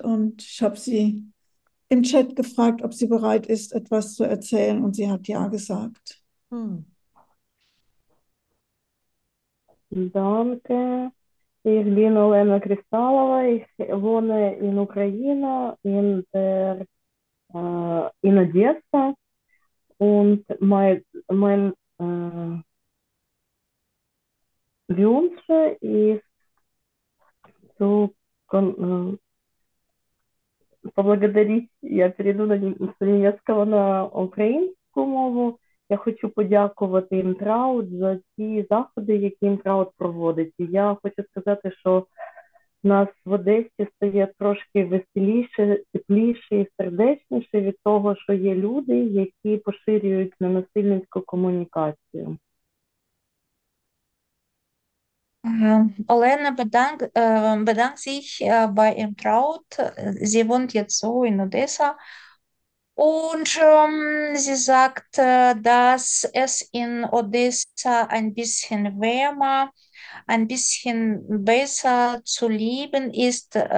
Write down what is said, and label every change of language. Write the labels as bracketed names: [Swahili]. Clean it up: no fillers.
[German] Und ich habe sie im Chat gefragt, ob sie bereit ist, etwas zu erzählen, und sie hat ja gesagt. Danke. Ich bin Olena Kristallova. Ich wohne in Ukraine, in Odessa. Und mein Wünsche ist, [Russian] поблагодарить, [Ukrainian] я перейду з німецького на українську мову. Я хочу подякувати Інтраут за ті заходи, які Інтраут проводить. І я хочу сказати, що нас в Одесі стає трошки веселіше, тепліше і сердечніше від того, що є люди, які поширюють ненасильницьку комунікацію. [German] Олена bedankt sich bei ihrem Braut. Sie wohnt jetzt so in Odessa. Und sie sagt, dass es in Odessa ein bisschen wärmer, ein bisschen besser zu leben ist.